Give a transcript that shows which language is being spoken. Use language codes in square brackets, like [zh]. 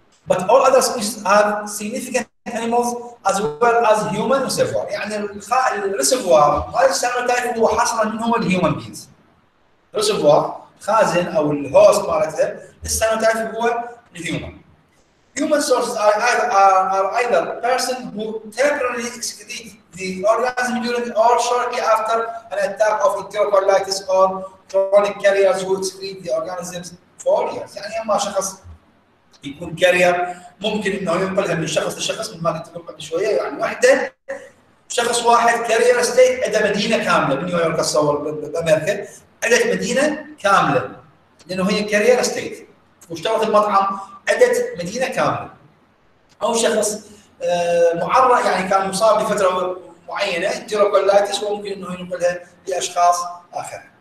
[en] but all other species have significant animals as well as human reservoir، [ar] يعني الريسرفوار مال السالمونيلا تايفي هو حصرا من هو الهيومن بينز ريسرفوار خازن او الهوست مالتها السالمونيلا تايفي هو الهيومن. [en] Human sources are either person who temporarily excreted the organism during or shortly after an attack of enterocolitis or chronic carriers who excrete the organisms for years. [ar] يعني اما شخص يكون carrier ممكن انه ينقلها من شخص لشخص من ما قلت لكم قبل شويه، يعني واحده شخص واحد carrier state عنده مدينه كامله بنيويورك اتصور بامريكا عنده مدينه كامله لانه هي carrier state واشترط المطعم عدت مدينة كاملة، أو شخص معرض يعني كان مصاب بفترة معينة انتيروكولايتس وممكن أنه ينقلها لأشخاص آخر.